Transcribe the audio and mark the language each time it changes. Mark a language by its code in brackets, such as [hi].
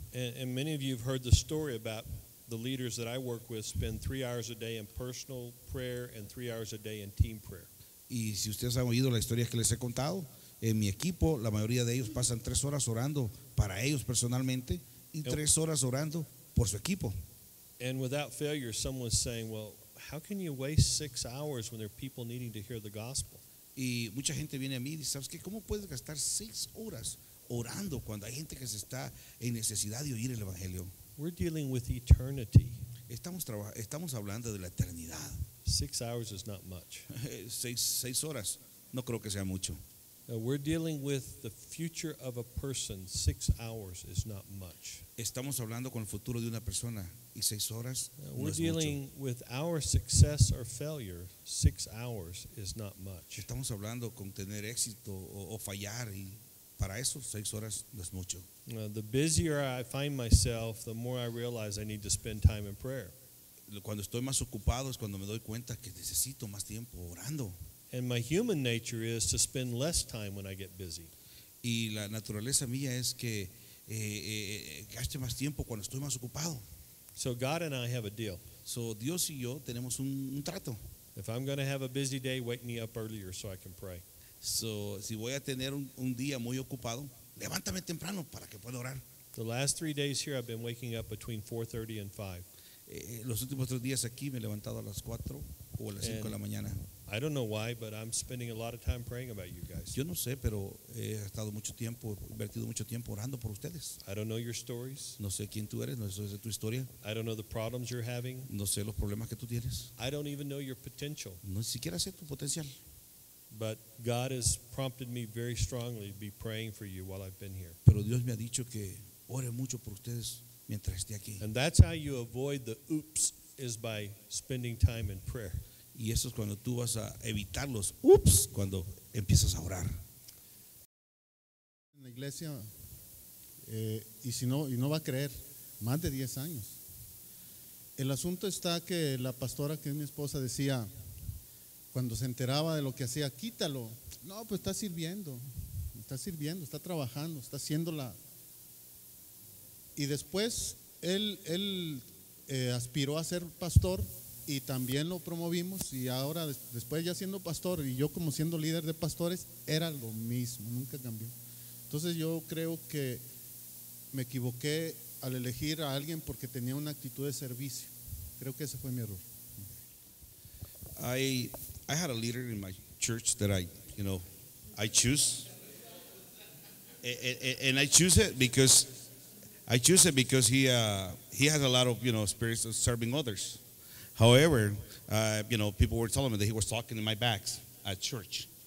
[en] And many of you have heard the story about the leaders that I work with spend 3 hours a day in personal prayer and 3 hours a day in team prayer. [es] Y si ustedes han oído la historia que les he contado, en mi equipo, la mayoría de ellos pasan 3 horas orando para ellos personalmente y 3 horas orando por su equipo. [en] And without failure, someone's saying, well, how can you waste 6 hours when there are people needing to hear the gospel? [es] Y mucha gente viene a mí y dice, ¿sabes qué? ¿Cómo puedes gastar 6 horas orando cuando hay gente que se está en necesidad de oír el evangelio? [en] We're dealing with eternity. [es] Estamos hablando de la eternidad. [en] 6 hours is not much. [es] seis horas, no creo que sea mucho. [en] We're dealing with the future of a person. 6 hours is not much. [es] Estamos hablando con el futuro de una persona y 6 horas no es mucho. [en] We're dealing with our success or failure. 6 hours is not much. [es] Estamos hablando con tener éxito o fallar y para eso 6 horas no es mucho. [en] The busier I find myself, the more I realize I need to spend time in prayer. [es] Cuando estoy más ocupado es cuando me doy cuenta que necesito más tiempo orando. [en] And my human nature is to spend less time when I get busy. [es] Y la naturaleza mía es que gaste más tiempo cuando estoy más ocupado. [en] So God and I have a deal. [es] So Dios y yo tenemos un trato. [en] If I'm going to have a busy day, wake me up earlier so I can pray. [es] So si voy a tener un día muy ocupado, levántame temprano para que pueda orar. [en] The last 3 days here I've been waking up between 4:30 and 5. [es] Los últimos 3 días aquí me he levantado a las 4 o a las 5 de la mañana. [en] I don't know why, but I'm spending a lot of time praying about you guys. [es] Yo no sé, pero he estado mucho tiempo, invertido mucho tiempo orando por ustedes. [en] I don't know your stories. [es] No sé quién tú eres, no sé tu historia. [en] I don't know the problems you're having. [es] No sé los problemas que tú tienes. [en] I don't even know your potential. [es] No siquiera sé tu potencial. [en] But God has prompted me very strongly to be praying for you while I've been here. [es] Pero Dios me ha dicho que ore mucho por ustedes mientras esté aquí. [en] And that's how you avoid the oops, is by spending time in prayer. [es] Y eso es cuando tú vas a evitar los oops cuando empiezas a orar. En la iglesia y no va a creer más de 10 años. El asunto está que la pastora que es mi esposa decía, cuando se enteraba de lo que hacía, quítalo. No, pues está sirviendo, está trabajando, está haciéndola. Y después él aspiró a ser pastor y también lo promovimos. Y ahora, después ya siendo pastor y yo como siendo líder de pastores, era lo mismo, nunca cambió. Entonces yo creo que me equivoqué al elegir a alguien porque tenía una actitud de servicio. Creo que ese fue mi error. [en] I had a leader in my church that I choose it because he has a lot of, you know, experience of serving others. However, you know, people were telling me that he was talking in my back at church.